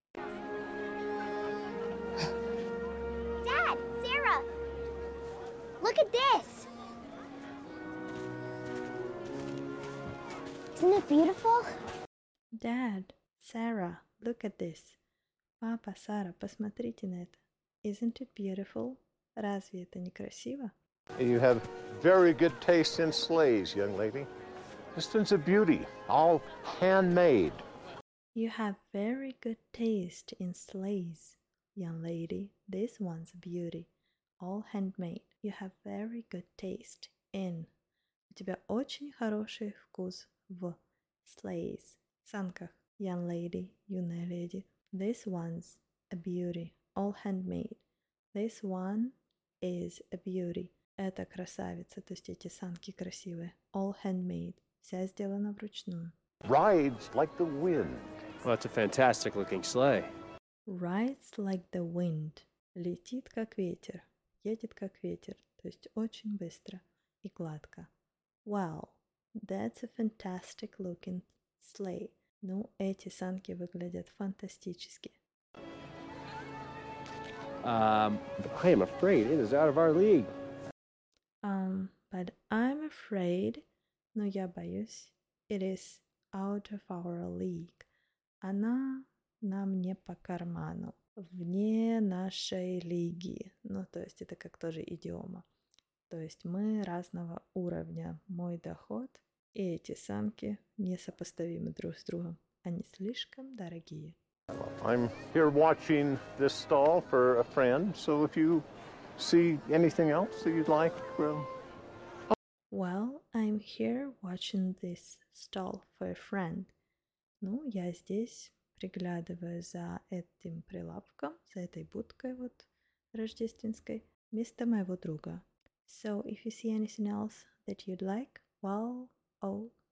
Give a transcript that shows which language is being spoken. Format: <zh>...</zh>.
<en>Dad, Sarah, look at this. Isn't it beautiful? Dad, Sarah, look at this.</en> <ru>Папа, Сара, посмотрите на это.</ru> <en>Isn't it beautiful?</en> <ru>Разве это не красиво?</ru> <en>You have very good taste in sleighs, young lady. This thing's a beauty, all handmade. You have very good taste in sleighs, young lady. This one's a beauty, all handmade. You have very good taste in.</en> <ru>У тебя очень хороший вкус в</ru> <en>sleighs,</en> <ru>санках,</ru> <en>young lady,</en> <ru>юная леди.</ru> <en>This one's a beauty, all handmade. This one is a beauty.</en> <ru>Это красавица, то есть эти санки красивые.</ru> <en>All handmade,</en> <ru>вся сделана вручную.</ru> <en>Rides like the wind. Well, it's a fantastic looking sleigh. Rides like the wind.</en> <ru>Летит как ветер. Едет как ветер. То есть очень быстро и гладко.</ru> <en>Wow, that's a fantastic looking sleigh.</en> <ru>Ну, эти санки выглядят фантастически.</ru> <en>I am afraid it is out of our league. But I'm afraid,</en> <ru>но я боюсь,</ru> <en>it is out of our league.</en> <ru>Она нам не по карману, вне нашей лиги. Ну, то есть это как тоже идиома. То есть мы разного уровня. Мой доход и эти санки несопоставимы друг с другом. Они слишком дорогие.</ru> <en>I'm here watching this stall for a friend, so if you see anything else that you'd like, well... Well, I'm here watching this stall for a friend.</en> <ru>Ну, я здесь приглядываю за этим прилавком, за этой будкой вот рождественской, вместо моего друга.</ru> <en>So, if you see anything else that you'd like, well, oh.</en>